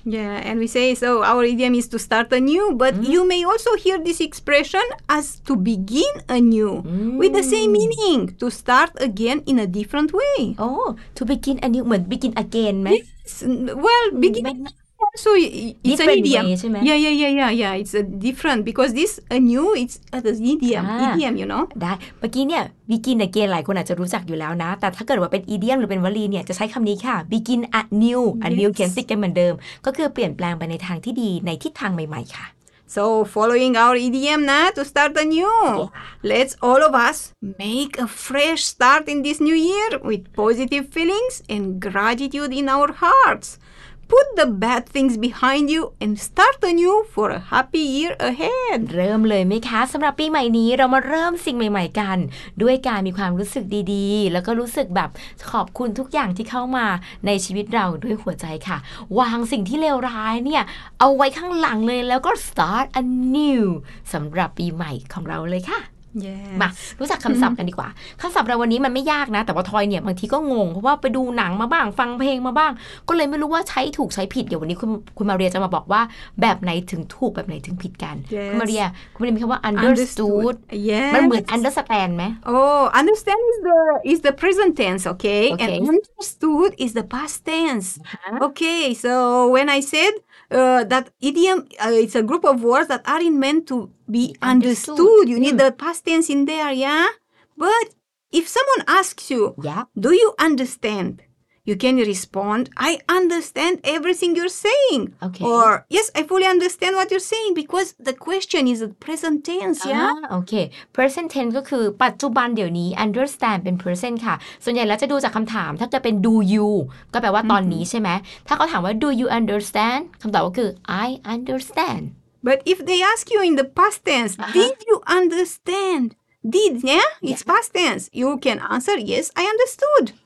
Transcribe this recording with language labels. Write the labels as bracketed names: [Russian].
[English] Yeah and we say so our idiom is to start anew but you may also hear this expression as to begin anew with the same meaningto start again in a different way. Oh, to begin a new one, begin again, man. Yes, well, begin also, it's an idiom. Yeah. It's a different because this a new, it's an idiom, idiom, you know. [Thai] ได้เมื่อกี้เนี่ย [English] begin again [Thai] หลายคนอาจจะรู้จักอยู่แล้วนะแต่ถ้าเกิดว่าเป็น idiom หรือเป็นวลีเนี่ยจะใช้คำนี้ค่ะ begin a new, a new sentence กันเหมือนเดิมก็คือเปลี่ยนแปลงไปในทางที่ดีในทิศทางใหม่ๆค่ะ [English] So, following our idiom now to start anew, let's all of us make a fresh start in this new year with positive feelings and gratitude in our hearts. Put the bad things behind you and start anew for a happy year ahead. [Thai] เริ่มเลยไหมคะสำหรับปีใหม่นี้เรามาเริ่มสิ่งใหม่ๆกันด้วยการมีความรู้สึกดีๆแล้วก็รู้สึกแบบขอบคุณทุกอย่างที่เข้ามาในชีวิตเราด้วยหัวใจค่ะวางสิ่งที่เลวร้ายเนี่ยเอาไว้ข้างหลังเลยแล้วก็ [English] start anew [Thai] สำหรับปีใหม่ของเราเลยค่ะ [English] Yes. [Thai] มารู้จักคำศัพท์กันดีกว่าคำศัพท์เราวันนี้มันไม่ยากนะแต่ว่าทอยเนี่ยบางทีก็งงเพราะว่าไปดูหนังมาบ้างฟังเพลงมาบ้างก็เลยไม่รู้ว่าใช้ถูกใช้ผิดเดี๋ยววันนี้คุณมาเรียจะมาบอกว่าแบบไหนถึงถูกแบบไหนถึงผิดกัน [English] yes. [Thai] คุณมาเรียคุณมีคำว่า understood [English] yes. [Thai] มันเหมือน understand ไหม [English] oh understand is the present tense okay? okay and understood is the past tense uh-huh. okay so when I saidthat idiom it's a group of words that aren't meant to be understood. You need the past tense in there, yeah? But if someone asks you, yeah. do you understand? you can respond, I understand everything you're saying. Okay. Or, yes, I fully understand what you're saying because the question is present tense, yeah? Okay. [Thai] Present tense ก็คือปัจจุบันเดี๋ยวนี้ understand เป็น present ค่ะส่วนใหญ่แล้วจะดูจากคำถามถ้าจะเป็น do you ก็แปลว่าตอนนี้ใช่ไหมถ้าเขาถามว่า [English] do you understand [Thai] คำตอบก็คือ [English] I understand. But if they ask you in the past tense, did you understand? Did, yeah? It's past tense. You can answer, yes, I understood.